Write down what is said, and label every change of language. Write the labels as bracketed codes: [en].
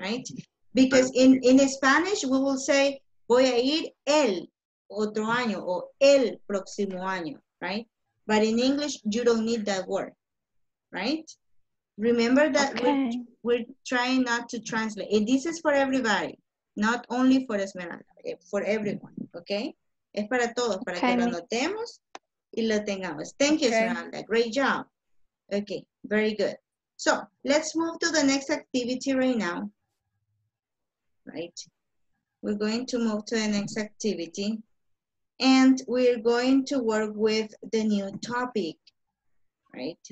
[en] Right? Because in Spanish, we will say, [es] voy a ir el otro año o el próximo año, [en] right? But in English, you don't need that word, right? Remember that we're trying not to translate. And this is for everybody, not only for Esmeralda, for everyone, okay? [es] Es para todos, para que lo notemos y lo tengamos. [en] Thank you, Esmeralda. Great job. Okay, very good. So let's move to the next activity right now, right? We're going to move to the next activity and we're going to work with the new topic, right?